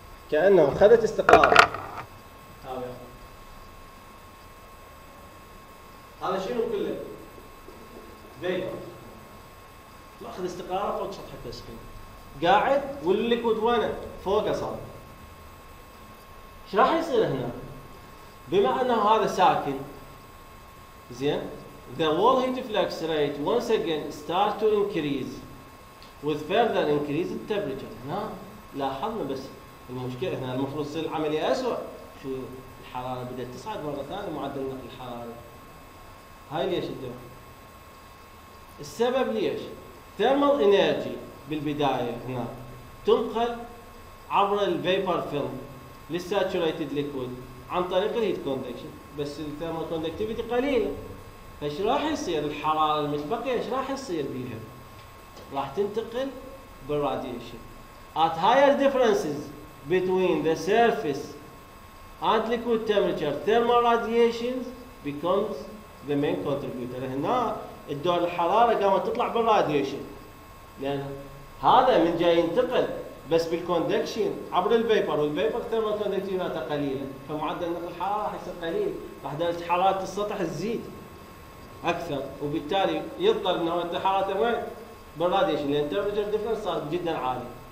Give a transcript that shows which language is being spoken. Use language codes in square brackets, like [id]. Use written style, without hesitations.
[ar] كانه اخذت استقرار. هذا شنو كله؟ ما اخذ استقرار فوق سطح التسخين. قاعد والليكويد وينه؟ فوقه صار. ايش راح يصير هنا؟ بما انه هذا ساكن زين؟ [en] The wall heat flux rate once again start to increase with further increase in temperature. [ar] هنا لاحظنا بس المشكله هنا المفروض تصير العمليه اسوء. شو الحراره بدات تصعد مره ثانيه معدل النقل الحراري. هاي ليش الدور؟ السبب ليش؟ ثيرمال انرجي بالبدايه هنا تنقل عبر الفيبر فيلم للساتوريتد ليكويد عن طريق الهيت كوندكشن، بس الثيرمال كوندكتيفيتي قليله. فايش راح يصير؟ الحراره المتبقيه ايش راح يصير بيها؟ راح تنتقل بالراديشن. [en] At higher differences between the surface and liquid temperature, thermal radiation becomes the main contributor. [ar] هنا الدور الحراره قامت تطلع بالراديشن. لان هذا من جاي ينتقل بس بالكوندكشن عبر البيبر، والبيبر ثيرمال كوندكتيفيتي قليله، فمعدل النقل الحراري راح يصير قليل، راح درجه حراره السطح تزيد اكثر، وبالتالي يضطر انه انت حرارته وين؟ بالراديشن، لان تمبرتشر ديفرنس صار جدا عالي.